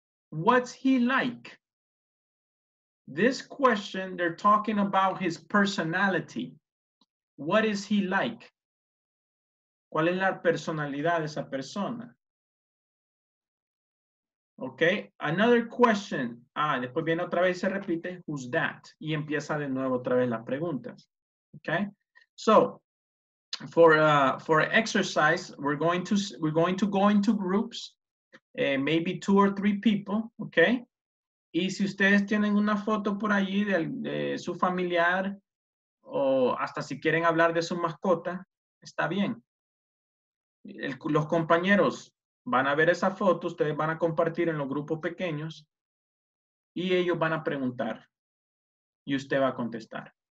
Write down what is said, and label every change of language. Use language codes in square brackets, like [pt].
[en] What's he like? This question, they're talking about his personality. What is he like? [es] ¿Cuál es la personalidad de esa persona? [en] Okay, another question. [es] Ah, después viene otra vez y se repite, [en] who's that? [es] Y empieza de nuevo otra vez las preguntas. [en] Okay, so for exercise, we're going to go into groups, maybe two or three people, okay? [es] Y si ustedes tienen una foto por allí de su familiar, o hasta si quieren hablar de su mascota, está bien. Los compañeros van a ver esa foto, ustedes van a compartir en los grupos pequeños y ellos van a preguntar y usted va a contestar.